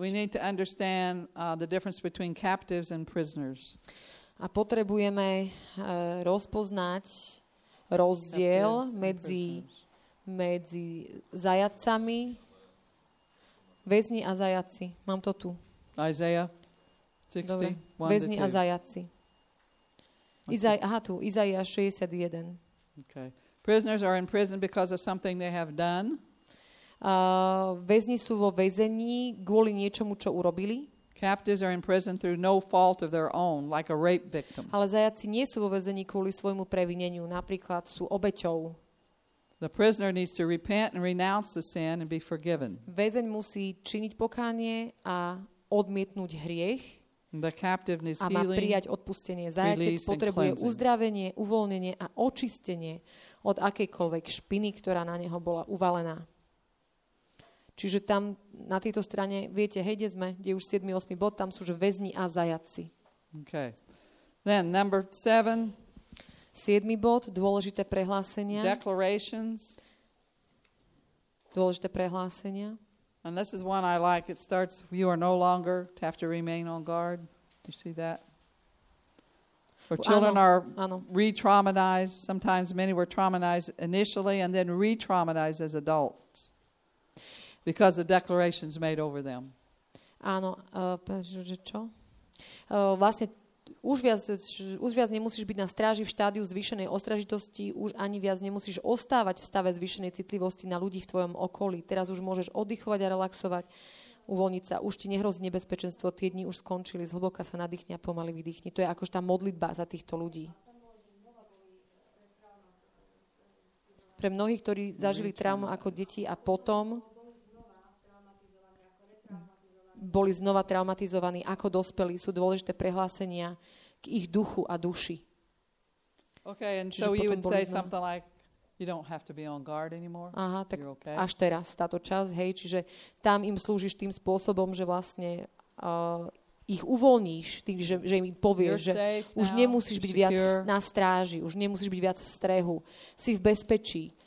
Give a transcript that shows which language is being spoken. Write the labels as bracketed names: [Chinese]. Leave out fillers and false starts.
[English] We need to understand the difference between captives and prisoners. [Slovak] A potrebujeme rozpoznať rozdiel medzi zajatcami, väzni a zajatci. Mám to tu. [English] Isaiah 60. [Slovak] Dobre. Väzni a zajatci. Aha, tu, Izaiah 61. [English] Okay. Prisoners are in prison because of something they have done. [Slovak] Väzni sú vo väzení kvôli niečomu, čo urobili. [English] Captives are in prison through no fault of their own, like a rape victim. [Slovak] Ale zajatci nie sú vo väzení kvôli svojmu previneniu, napríklad sú obeťou. [English] The prisoner needs to repent and renounce the sin and be forgiven. [Slovak] Väzeň musí činiť pokánie a odmietnúť hriech. [English] The captive needs healing. [Slovak] A má prijať odpustenie. Zajatec potrebuje uzdravenie, uvoľnenie a očistenie od akejkoľvek špiny, ktorá na neho bola uvalená. Čiže tam na tejto strane, viete, hej, kde sme, kde už 7. 8. bod, tam sú že väzni a zajatci. [English] Okay. Then number 7. [Slovak] 7. bod, dôležité prehlásenia. [English] Declarations. [Slovak] Dôležité prehlásenia. [English] And this is one I like. It starts, you are no longer to have to remain on guard. You see that? Our children are re-traumatized. Sometimes many were traumatized initially and then re-traumatized as adults. Because the declarations made over them. [Slovak] Áno, čo? Vlastne už viac nemusíš byť na stráži v štádiu zvýšenej ostražitosti, už ani viac nemusíš ostávať v stave zvýšenej citlivosti na ľudí v tvojom okolí. Teraz už môžeš oddychovať a relaxovať, uvoľniť sa. Už ti nehrozí nebezpečenstvo, tie dni už skončili, zhlboka sa nadýchni a pomaly vydýchni. To je akož tá modlitba za týchto ľudí. Pre mnohých, ktorí zažili traumu ako deti a potom boli znova traumatizovaní ako dospelí, sú dôležité prehlásenia k ich duchu a duši. [English] Okay, and so you would say something like you don't have to be on guard anymore. [Slovak] Aha, tak okay. Až teraz táto časť, hej, čiže tam im slúžiš tým spôsobom, že vlastne ich uvoľníš, tým, že im povieš, že už nemusíš byť viac na stráži, už nemusíš byť viac v strehu, si v bezpečí.